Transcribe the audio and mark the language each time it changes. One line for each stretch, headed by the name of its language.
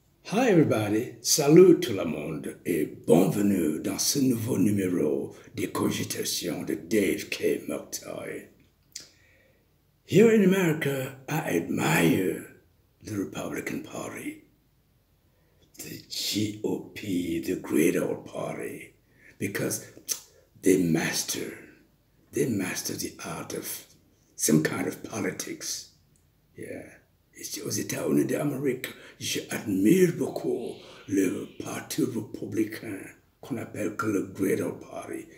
English: Hi everybody,
French: salut tout le monde et bienvenue dans ce nouveau numéro des cogitations de Dave K. McToy.
English: Here in America, I admire the Republican Party, the GOP, the great old party, because they master the art of some kind of politics. Yeah.
French: Ici aux États-Unis d'Amérique, j'admire beaucoup le Parti républicain qu'on appelle que le Great Old Party.